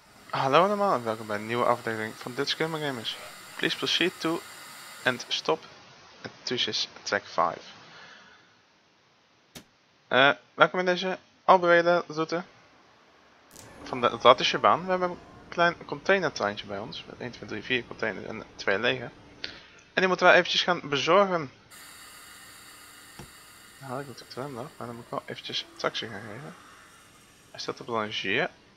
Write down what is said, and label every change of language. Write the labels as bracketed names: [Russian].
[Dutch] Hallo allemaal en welkom bij een nieuwe aflevering van Dutch Gamer Gamers. [English] Please proceed to and stop at Tush's track 5. [Dutch] Welkom in deze alberede route van de Radische baan. We hebben een klein containertreintje bij ons met 1, 2, 3, 4 containers en 2 lege. En die moeten we eventjes gaan bezorgen. Nou, ik moet de tram nog, maar dan moet ik wel eventjes taxi gaan geven. Hij staat op Langier.